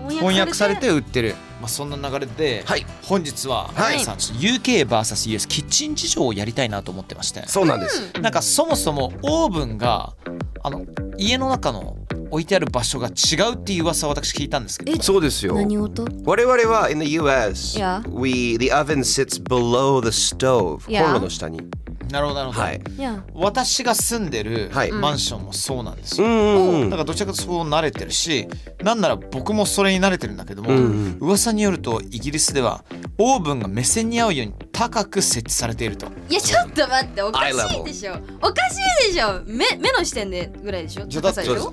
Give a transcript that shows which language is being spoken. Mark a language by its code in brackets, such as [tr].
[ja] 翻訳されて売ってる。まあ、そんな流れで、はい、本日は、はい、さん UK vs US キッチン事情をやりたいなと思ってまして。そうなんです。なんかそもそもオーブンが家の中の置いてある場所が違うっていう噂を私聞いたんですけど。そうですよ。何音？我々は [en] in the US、yeah. we the oven sits below the stove、yeah. [ja] コンロの下に。なるほどなるほど、はい、 [en] yeah. [ja] 私が住んでるマンションもそうなんですよ、うん、だからどちらかとそう慣れてるし、なんなら僕もそれに慣れてるんだけども、うんうん、噂によるとイギリスではオーブンが目線に合うように高く設置されていると。いやちょっと待って、おかしいでしょ、おかしいでしょ、 目の視点でぐらいでしょ、高さでしょ。